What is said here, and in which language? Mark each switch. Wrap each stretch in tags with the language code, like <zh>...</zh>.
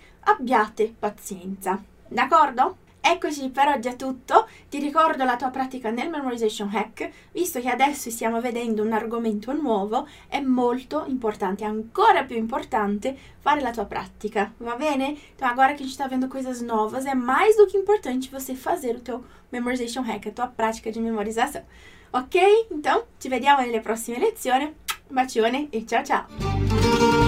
<it>Abbiate pazienza. D'accordo? Eccoci, per oggi è tutto. Ti ricordo la tua pratica nel Memorization Hack. Visto che adesso stiamo vedendo un argomento nuovo, è molto importante, ancora più importante, fare la tua pratica. Va bene?</it> <pt>Então, agora</pt> <it>che</it> <pt>a gente está vendo coisas novas, è mais do che importante você fazer o teu Memorization Hack, a tua</pt> <it>pratica di</it> <pt>memorização.</pt> <it>Ok? Então, ci vediamo nelle prossime lezioni. Un bacione e ciao ciao!</it>